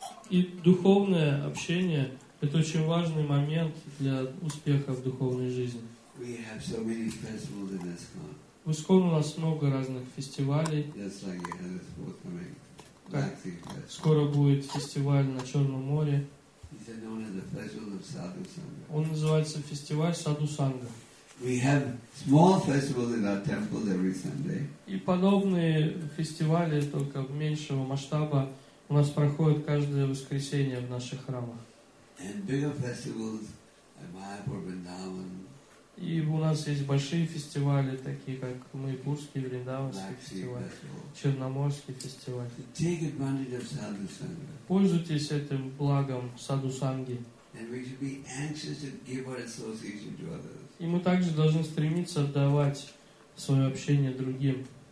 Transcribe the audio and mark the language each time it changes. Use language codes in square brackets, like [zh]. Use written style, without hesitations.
[ru] И духовное общение — это очень важный момент для успеха в духовной жизни. [en] We have so many festivals in ISKCON. [ru] В ISKCON у нас много разных фестивалей. [en] Just like you have a sport coming. [ru] Скоро будет фестиваль на Черном море. [en] It's known as the festival of Sadhu Sangha. [ru] Он называется фестиваль Саду Санга. [en] We have small festivals in our temples every Sunday. [ru] И подобные фестивали только меньшего масштаба у нас проходят каждое воскресенье в наших храмах. [en] And bigger festivals at Mayapur, Vrindavan. [ru] И у нас есть большие фестивали, такие как Майпурский, Вриндаванский фестиваль, Черноморский фестиваль. [en] Take advantage of Sadhu Sangha. [ru] Пользуйтесь этим благом Sadhu Sanghi. [en] And we should be anxious to give our association to others. [ru] И мы также должны стремиться отдавать свое общение другим.